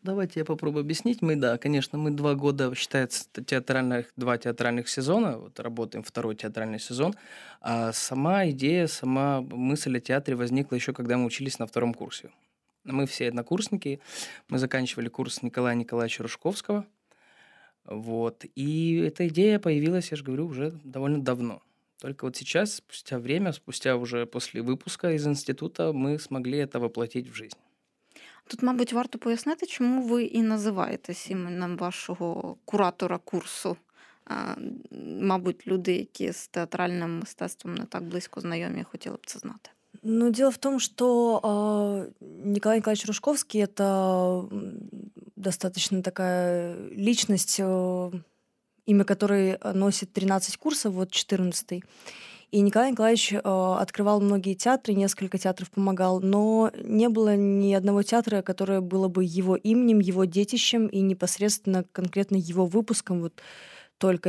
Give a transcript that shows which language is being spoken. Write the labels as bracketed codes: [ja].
[uk] Давайте я попробую об'яснити. Ми, так, звісно, ми 2 роки, вважається, два театральних сезони, от працюємо второй театральний сезон. А сама ідея, сама мисль о театрі возникла ще, коли ми вчились на 2-му курсі. Ми всі однокурсники, ми закінчували курс Николая Николаевича Рушковського. Вот. І ця ідея з'явилася, я ж говорю, вже доволі давно. [ru] Только вот сейчас, спустя время, спустя уже после выпуска из института, мы смогли это воплотить в жизнь. [uk] Тут, мабуть, варто пояснити, чому ви і називаєтесь іменем вашого куратора курсу. Мабуть, люди, які з театральним мистецтвом не так близько знайомі, хотіли б це знати. [ru] Ну, дело в том, что Николай Николаевич Рушковский – это достаточно такая личность, имя которой носит 13 курсов, вот 14-й. И Николай Николаевич открывал многие театры, несколько театров помогал, но не было ни одного театра, которое было бы его именем, его детищем и непосредственно конкретно его выпуском вот только.